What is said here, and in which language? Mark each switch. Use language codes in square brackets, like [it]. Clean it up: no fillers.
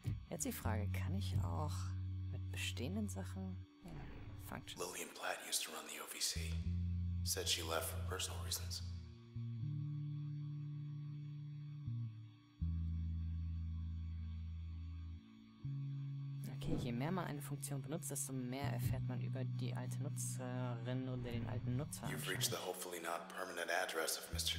[de] Jetzt die Frage, kann ich auch mit bestehenden Sachen [en] function? Lillian Platt used to run the OVC. Said she left for personal reasons. [de] Je mehr man eine Funktion benutzt, desto mehr erfährt man über die alte Nutzerin oder den alten Nutzer. [en] You've reached the hopefully not permanent address of Mr.